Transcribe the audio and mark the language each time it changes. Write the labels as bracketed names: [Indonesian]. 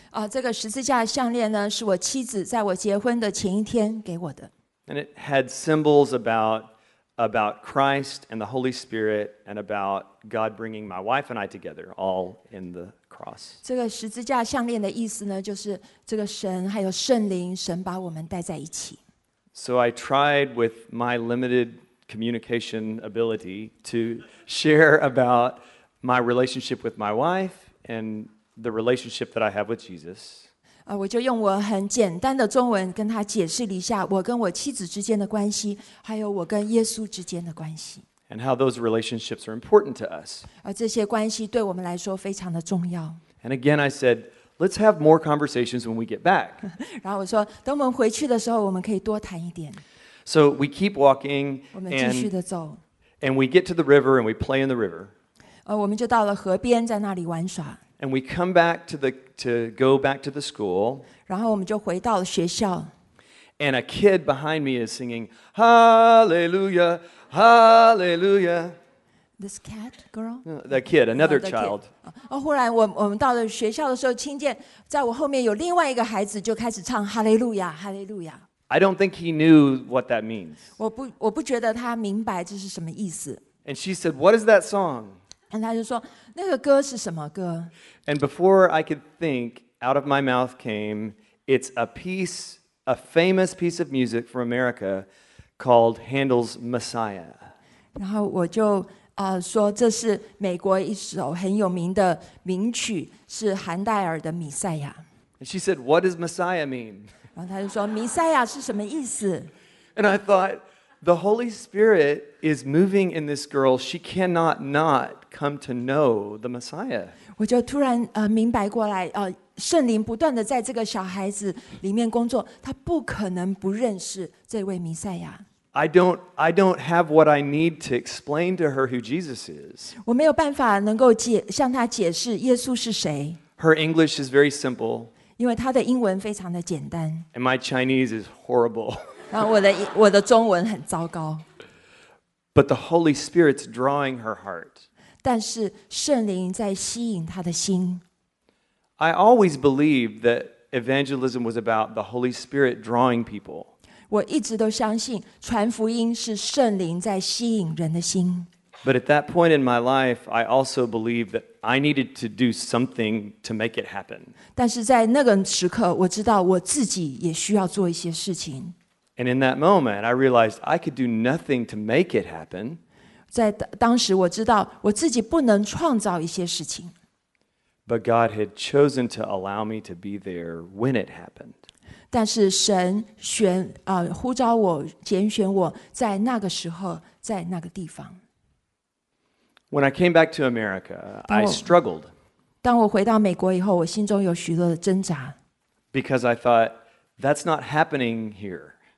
[Chinese] 这个十字架项链呢，是我妻子在我结婚的前一天给我的。 [English] And it had symbols about Christ and the Holy Spirit and about God bringing my wife and I together, all in the cross. [Chinese] 这个十字架项链的意思呢，就是这个神还有圣灵，神把我们带在一起。 [English] So I tried with my limited communication ability to share about my relationship with my wife and. The relationship that I have with Jesus. [Chinese] 我就用我很简单的中文跟他解释了一下我跟我妻子之间的关系，还有我跟耶稣之间的关系。 [English] And how those relationships are important to us. [Chinese] 这些关系对我们来说非常的重要。 [English] And again, I said, let's have more conversations when we get back. [Chinese] 然后我说，等我们回去的时候，我们可以多谈一点。 [English] So we keep walking. [Chinese] 我们继续的走。 [English] And we get to the river and we play in the river. [Chinese] 我们就到了河边，在那里玩耍。 [English] And we come back to go back to the school. [Chinese] 然后我们就回到了学校。 [English] And a kid behind me is singing Hallelujah, Hallelujah. This cat girl. The kid, another child. [Chinese] 忽然我们到了学校的时候，听见在我后面有另外一个孩子就开始唱 Hallelujah, Hallelujah. [English] I don't think he knew what that means. [Chinese] 我不觉得他明白这是什么意思。 [English] And she said, "What is that song?" [Chinese] And 他就说那个歌是什么歌 [English] ？And before I could think, out of my mouth came, "It's a piece, a famous piece of music from America, called Handel's Messiah." [Chinese] 然后我就说这是美国一首很有名的名曲，是韩戴尔的《弥赛亚》。 [English] And she said, "What does Messiah mean?" [Chinese] 然后他就说弥赛亚是什么意思 [English] ？And I thought. The Holy Spirit is moving in this girl. She cannot not come to know the Messiah. [Chinese] 我就突然明白过来，圣灵不断的在这个小孩子里面工作，他不可能不认识这位弥赛亚。 [English] I don't have what I need to explain to her who Jesus is. [Chinese] 我没有办法能够向她解释耶稣是谁。 [English] Her English is very simple. [Chinese] 因为她的英文非常的简单。 [English] And my Chinese is horrible. [Chinese] 然后我的中文很糟糕。 [English] But the Holy Spirit's drawing her heart. [Chinese] 但是圣灵在吸引她的心。 [English] I always believed that evangelism was about the Holy Spirit drawing people. [Chinese] 我一直都相信传福音是圣灵在吸引人的心。 [English] But at that point in my life, I also believed that I needed to do something to make it happen. [Chinese] 但是在那个时刻，我知道我自己也需要做一些事情。 [English] And in that moment, I realized I could do nothing to make it happen. [Chinese] 在当时我知道我自己不能创造一些事情。 [English] But God had chosen to allow me to be there when it happened. [Chinese] 但是神选呼召我拣选我在那个时候在那个地方。 [English] When I came back to America, I struggled. [Chinese] 当我回到美国以后，我心中有许多的挣扎。 [English] Because I thought that's not happening here.